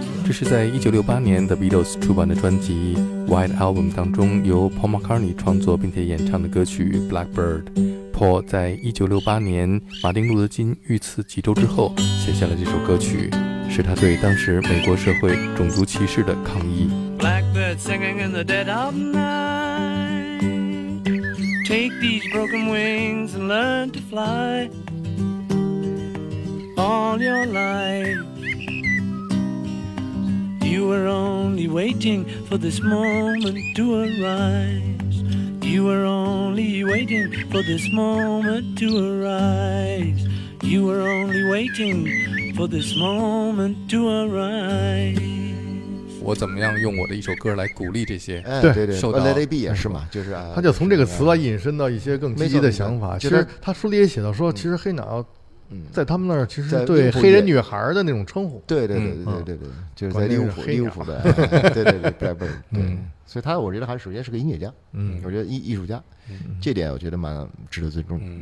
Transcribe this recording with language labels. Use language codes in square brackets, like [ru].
[zh] 是在1968年 The Beatles 出版的专辑 White Album 当中由 Paul McCartney 创作并且演唱的歌曲 Blackbird。 Paul 在1968年马丁路德金遇刺几周之后写下了这首歌曲，是他对当时美国社会种族歧视的抗议。 [en] Blackbird singing in the dead of night. Take these broken wings and learn to fly all your lifeYou are only waiting for this moment to arise. You are only waiting for this moment to arise. You are only waiting for this moment to arise. [zh] 我怎么样用我的一首歌来鼓励这些受到 Let it be 也是嘛，就是他就从这个词来引申到一些更积极的想法，其实他书里也写到说其实黑脑在他们那儿其实对黑人女孩的那种称呼，对对对对对对，就是在利物浦的，对对对 Blackbird， 对，所以他我觉得还是首先是个音乐家，我觉得艺术家，这点我觉得蛮值得尊重，